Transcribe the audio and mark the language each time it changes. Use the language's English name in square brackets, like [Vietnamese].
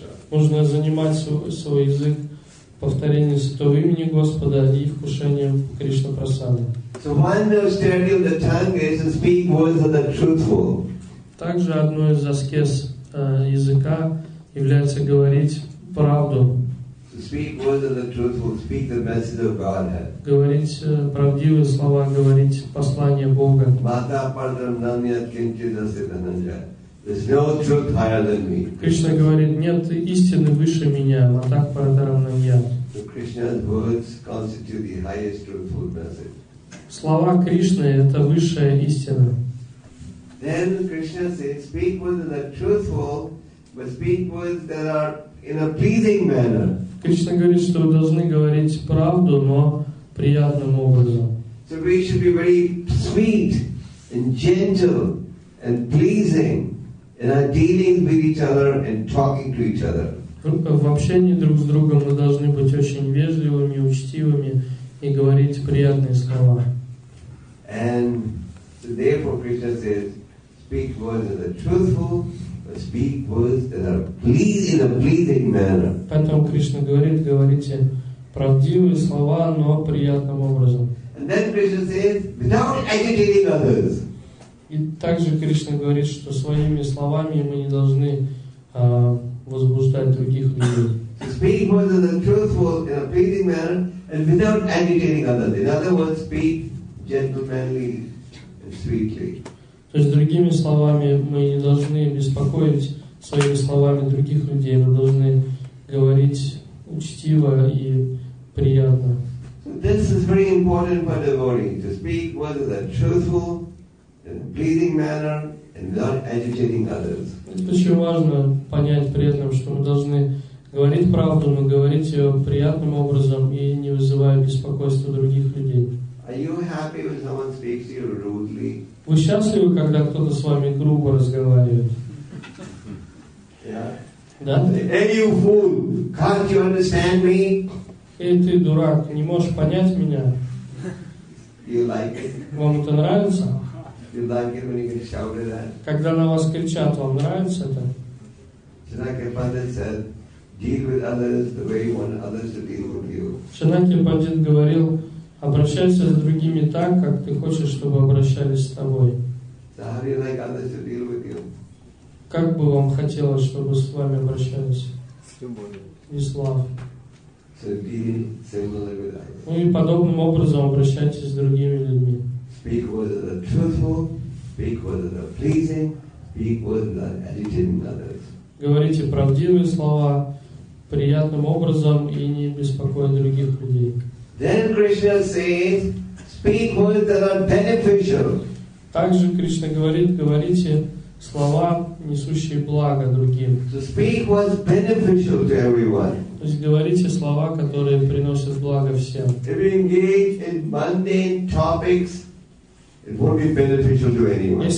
[Russian] Нужно занимать свой язык повторением святого имени Господа и вкушением Кришна Прасады. [English] So one austerity of the tongue is to speak words that are truthful. [Russian] Также одной из аскез языка является говорить правду. [English] To speak words that are truthful, speak the message of Godhead. [Russian] Говорить правдивые слова, говорить послание Бога. [English] There's no truth higher than me. [Russian] Кришна говорит, нет истины выше меня, [Sanskrit] Матах Парадарам Я. [English] So Krishna's words constitute the highest truthful message. [Russian] Слова Кришны – это высшая истина. [English] Then Krishna says, speak words that are truthful, but speak words that are in a pleasing manner. [Russian] Кришна говорит, что вы должны говорить правду, но приятным образом. [English] So we should be very sweet and gentle and pleasing. And are dealing with each other and talking to each other. [Russian] В общении друг с другом мы должны быть очень вежливыми, учтивыми и говорить приятные слова. [English] And so therefore Krishna says, speak words that are truthful, but speak words that are pleasing in a pleasing manner. [Russian] Поэтому Кришна говорит, говорите правдивые слова, но приятным образом. [English] And then Krishna says, without agitating others. [Russian] И также Кришна говорит, что своими словами мы не должны возбуждать других людей. [English] Speak more than the truthful in a pleasing manner and without agitating others. In other words, speak gentlemanly and sweetly. [Russian] То есть другими словами, мы не должны беспокоить своими словами других людей, мы должны говорить учтиво и приятно. [English] So this is very important for devotee, to speak words in a truthful and pleasing manner and not agitating others. [Russian] Это очень важно понять преданным, что мы должны говорить правду, но говорить ее приятным образом и не вызывая беспокойства других людей. [English] Are you happy when someone speaks to you rudely? [Russian] Вы счастливы, когда кто-то с вами грубо разговаривает? [English] Yeah. [Russian] Да? [English] Hey, you fool! Can't you understand me? [Russian] Эй, ты дурак, не можешь понять меня? [English] You like it? [Russian] Вам это нравится? [English] You like it when you get shouted at? [Russian] Когда на вас кричат, вам нравится это? [English] Shanakya Pandit said, deal with others the way you want others to deal with you. [Russian] Shanakya Pandit говорил, обращайся с другими так, как ты хочешь, чтобы обращались с тобой. [English] So how do you like others to deal with you? [Russian] Как бы вам хотелось, чтобы с вами обращались? Любовь. И слав. [English] So deal similarly with others. [Russian] Ну и подобным образом обращайтесь с другими людьми. [English] Speak words that are truthful, speak words that are pleasing, speak words that are agitating others. [Russian] Говорите правдивые слова приятным образом и не беспокоя других людей. [English] Then Krishna says, speak words that are beneficial. [Russian] Также Кришна говорит, говорите слова, несущие благо другим. [English] So speak words beneficial to everyone. [Russian] То есть говорите слова, которые приносят благо всем. [English] If you engage in mundane topics, it won't be beneficial to anyone.